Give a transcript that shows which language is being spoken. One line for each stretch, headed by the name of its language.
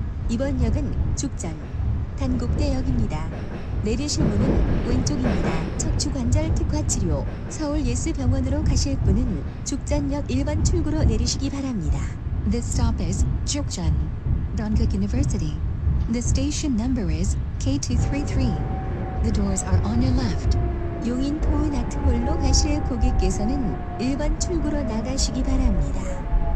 Korean: 이번 역은 죽전 단국대역입니다. 내리실 문은 왼쪽입니다. 척추관절 특화치료 서울예스병원으로 가실 분은 죽전역 1번 출구로 내리시기 바랍니다.
English: The stop is 죽전 Dankuk University. The station number is K233. The doors are on your left.
Korean: 용인 포은아트홀로 가실 고객께서는 1번 출구로 나가시기 바랍니다.